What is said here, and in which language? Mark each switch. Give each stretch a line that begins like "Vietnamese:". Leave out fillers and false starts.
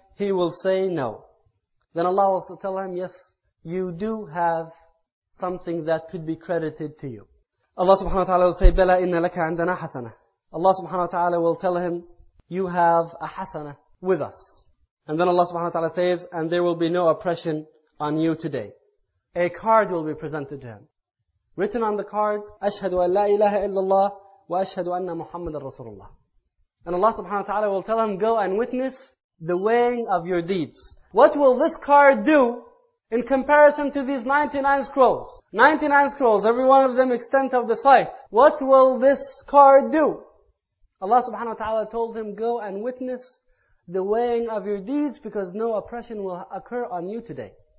English: He will say no. Then Allah will tell him, yes, you do have something that could be credited to you. Allah subhanahu wa ta'ala will say,
Arabic: بَلَا إِنَّ لَكَ عَنْدَنَا حَسَنَةً.
English: Allah subhanahu wa ta'ala will tell him, you have a hasana with us. And then Allah subhanahu wa ta'ala says, and there will be no oppression on you today. A card will be presented to him. Written on the card,
Arabic: أَشْهَدُ أَنْ لَا إِلَهَ إِلَّا اللَّهِ وَأَشْهَدُ أَنَّ مُحَمَّدًا رَسُولُ اللَّهِ.
English: And Allah subhanahu wa ta'ala will tell him, go and witness the weighing of your deeds. What will this card do in comparison to these 99 scrolls? 99 scrolls, every one of them extent of the sight. What will this card do? Allah subhanahu wa ta'ala told him, go and witness the weighing of your deeds because no oppression will occur on you today.